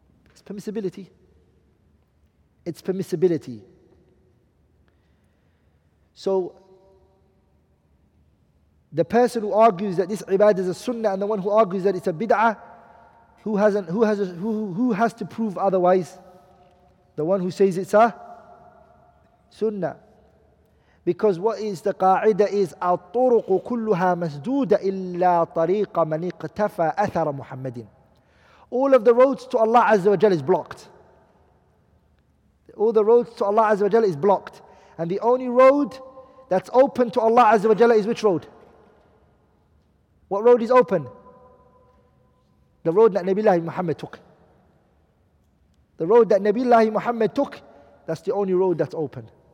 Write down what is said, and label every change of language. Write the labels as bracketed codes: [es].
[en] It's permissibility. It's permissibility. So, the person who argues that this ibadah is a sunnah and the one who argues that it's a bid'ah, who has to prove otherwise? The one who says it's a sunnah. Because what is the qa'ida is [ar] الطرق كلها مسدودة إلا طريق من اقتفى أثر محمد. [en] All of the roads to Allah Azza wa Jalla is blocked. All the roads to Allah Azza wa Jalla is blocked. And the only road that's open to Allah Azza wa Jalla is which road? What road is open? The road that Nabi Allah Muhammad took. The road that Nabi Allah Muhammad took, that's the only road that's open.